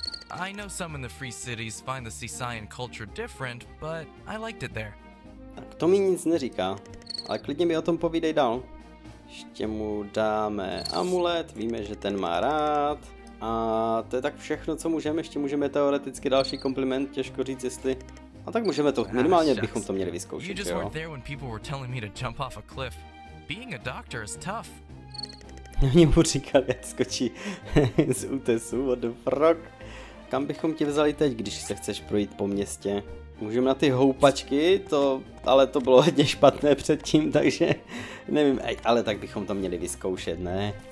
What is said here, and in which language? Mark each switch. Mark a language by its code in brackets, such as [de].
[en] I know some in the free cities find the Cisayan culture different, but I liked it there. [cs] Tak to mi nic neříká, ale klidně mi o tom povídej dál. Ještě mu dáme amulet, víme, že ten má rád. A to je tak všechno, co můžeme, ještě můžeme teoreticky další kompliment, těžko říct, jestli... A tak můžeme to, minimálně bychom to měli vyzkoušet, jo. [en] You just weren't there when people were telling me to jump off a cliff. Being a doctor is tough. [cs] Oni mu říkali, jak skočí z útesu, [en] what the frog. [cs] Kam bychom ti vzali teď, když se chceš projít po městě? Můžeme na ty houpačky, to, ale to bylo hodně špatné předtím, takže nevím, ale tak bychom to měli vyzkoušet, ne?